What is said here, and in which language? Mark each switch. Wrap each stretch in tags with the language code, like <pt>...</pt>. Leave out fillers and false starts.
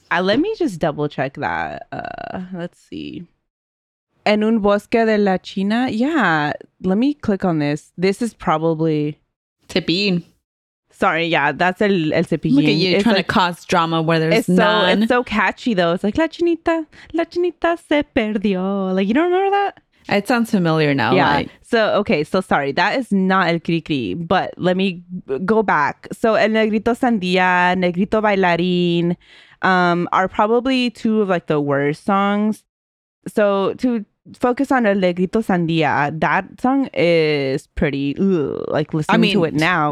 <en>Let me just double check that. Let's see.</en> <es>En un bosque de la China.</es> <en>Yeah. Let me click on this. This is probably Cepillín. Sorry, yeah, that's El Cepillín. Look at you, trying to cause drama where there's none. It's so catchy, though. It's like,</en> <es>la chinita se perdió.</es> <en>Like, you don't remember that? It sounds familiar now. Yeah. Like. So, okay, so sorry. That is not El Cri Cri, but let me go back. So, El Negrito Sandía, Negrito Bailarín are probably two of, like, the worst songs. So, to focus on El Negrito Sandia, that song is pretty like listening to it now.</en>